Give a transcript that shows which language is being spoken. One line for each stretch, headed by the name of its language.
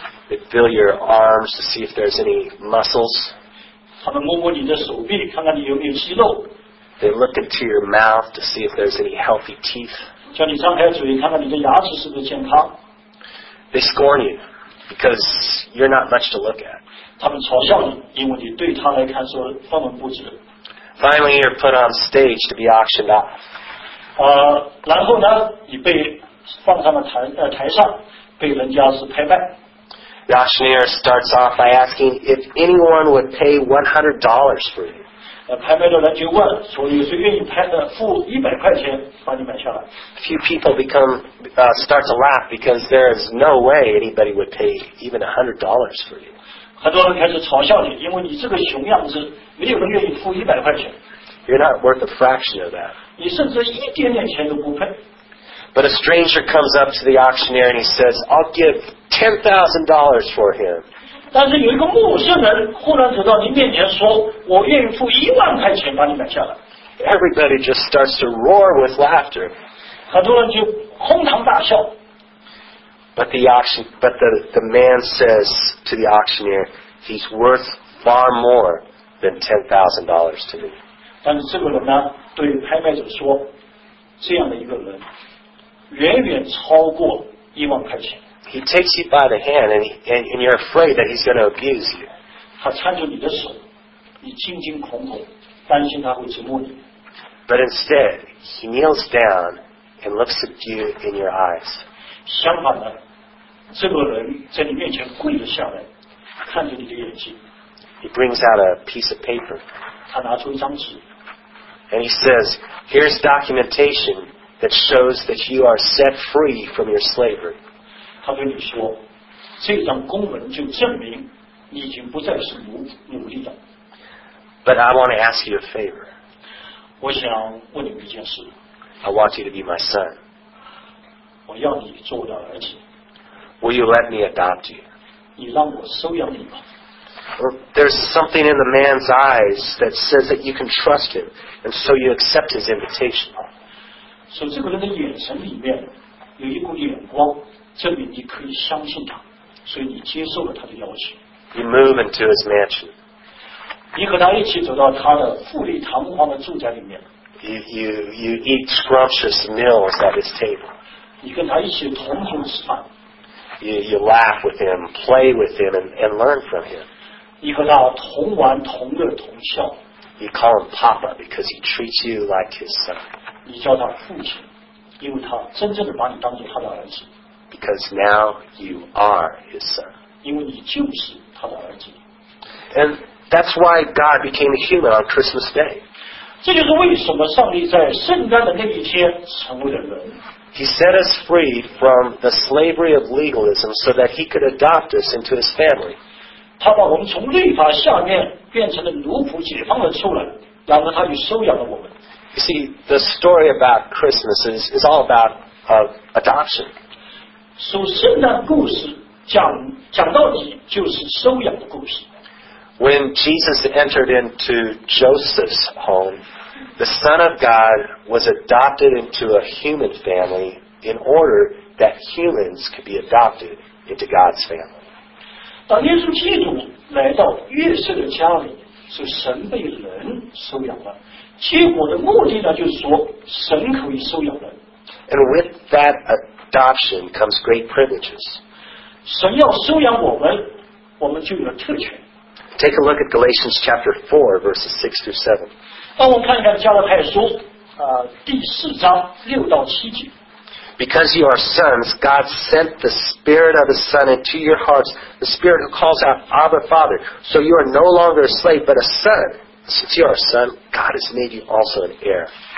English: They feel your arms to see if there's any muscles.
Chinese: 他们摸摸你的手臂，看看你有没有肌肉。
English: They look into your mouth to see if there's any healthy teeth.
Chinese: 叫你张开嘴，看看你的牙齿是不是健康。
English: They scorn you because you're not much to look at.
Chinese: 他们嘲笑你，因为你对他来看说分文不值。
English: Finally, you're put on stage to be auctioned off.
Chinese: 然后呢，你被放上了台上，被人家是拍卖。
English: The auctioneer starts off by asking if anyone would pay $100 for you.
Chinese: 拍卖的人就问，说有谁愿意付$100把你买下来。
English: A few people start to laugh because there is no way anybody would pay even $100 for you.
Chinese: 很多人开始嘲笑你，因为你这个熊样子，没有人愿意付$100。
English: You're not worth a fraction of that.
Chinese: 你甚至一点点钱都不配。
English: But a stranger comes up to the auctioneer and he says, I'll give $10,000 for him.
Chinese: 但是有一个陌生人忽然走到您面前说，我愿意付$10,000把你买下来。
English: Everybody just starts to roar with laughter.
Chinese: 很多人就哄堂大笑。
English: But the man says to the auctioneer, he's worth far more than $10,000 to me.
Chinese: 但是这个人呢，对拍卖者说，这样的一个人远远超过$10,000。
English: He takes you by the hand and you're afraid that he's going to abuse you.
Chinese: 他搀着你的手，你惊惊恐恐，担心他会折磨你。
English: But instead, he kneels down and looks at you in your eyes.
Chinese: 相反的，这个人在你面前跪了下来，看着你的眼睛。
English: He brings out a piece of paper.
Chinese: 他拿出一张纸。
English: And he says, here's documentation that shows that you are set free from your slavery.
Chinese: 他对你说，这张公文就证明你已经不再是奴隶了。
English: But I want to ask you a favor.
Chinese: 我想问你一件事。
English: I want you to be my son.
Chinese: 我要你做我的儿子。
English: Will you let me adopt you?
Chinese: 你让我收养你吗？
English: There's something in the man's eyes that says that you can trust him, and so you accept his invitation.
Chinese: So 这个人的眼神里面有一股眼光证明你可以相信他，所以你接受了他的邀请。
English: You move into his mansion.
Chinese: 你和他一起走到他的富丽堂皇的住宅里面。
English: You eat scrumptious meals at his table.
Chinese: 你跟他一起同桌吃饭。
English: You laugh with him, play with him, and learn from him.
Chinese: 你和他同玩同乐同笑。
English: You call him Papa because he treats you like his son.
Chinese: 你叫他父亲，因为他真正的把你当作他的儿子。
English: Because now you are his son.
Chinese: 因为你就是他的儿子。
English: And that's why God became a human on Christmas Day.
Chinese: 这就是为什么上帝在圣诞的那一天成为了人。
English: He set us free from the slavery of legalism so that he could adopt us into his family.
Chinese: 他把我们从律法下面变成了奴仆，解放了出来，然后他又收养了我们。
English: You see, the story about Christmas is all about adoption.
Chinese: 所以圣诞故事讲到底就是收养的故事。
English: When Jesus entered into Joseph's home, the Son of God was adopted into a human family in order that humans could be adopted into God's family.
Chinese: 当耶稣基督来到约瑟的家里，是神被人收养了。结果的目的呢，就是说神可以收养人。
English: And with that adoption comes great privileges.
Chinese: 神要收养我们，我们就有特权。
English: Take a look at Galatians chapter 4, verses 6 through 7.
Chinese: 帮我们看一下加拉太书第四章六到七节。
English: Because you are sons, God sent the Spirit of His Son into your hearts, the Spirit who calls out Abba, Father. So you are no longer a slave, but a son. Since you are a son, God has made you also an heir.